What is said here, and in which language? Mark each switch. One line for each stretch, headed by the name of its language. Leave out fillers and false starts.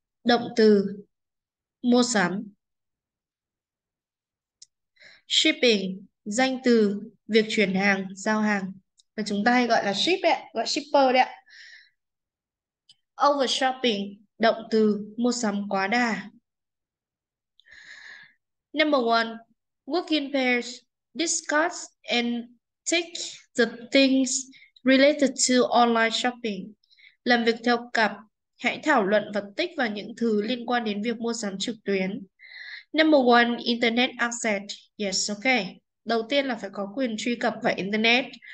Vietnamese: Động từ mua sắm. Shipping, danh từ việc chuyển hàng, giao hàng. Và chúng ta hay gọi là ship ấy, gọi shipper đấy ạ. Overshopping, động từ mua sắm quá đà.
English: Number one, work in pairs, discuss and take the things related to online shopping.
Vietnamese: Làm việc theo cặp, hãy thảo luận và tích vào những thứ liên quan đến việc mua sắm trực tuyến.
English: Number one, Internet access. Yes, okay.
Vietnamese: Đầu tiên là phải có quyền truy cập vào Internet.